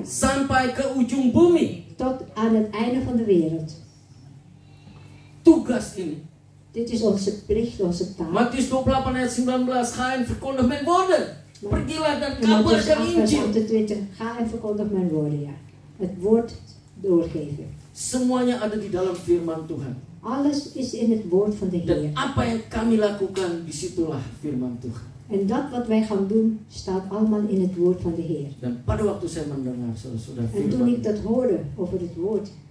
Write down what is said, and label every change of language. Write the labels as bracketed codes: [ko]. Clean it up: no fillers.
[id] Sampai ke ujung bumi. [nl] Tot aan het einde van de wereld. [id] Tugas ini. [nl] Dit is onze plicht, onze taak. [id] Matius 28 ayat 19. [nl] Ga en verkondig mijn woorden. [id] Pergilah dan kabarkan Injil. [nl] Matius 28 ga en verkondig mijn woorden, ya. Het woord doorgeven. [id] Semuanya ada di dalam firman Tuhan. [nl] Alles is in het woord van de Heer. [id] Dan apa yang kami lakukan, disitulah firman Tuhan. [nl] En dat wat wij gaan doen, staat allemaal in het woord van de Heer. [id] Dan pada waktu saya mendengar saudara-saudara firman. [nl] En toen ik dat hoorde over het woord.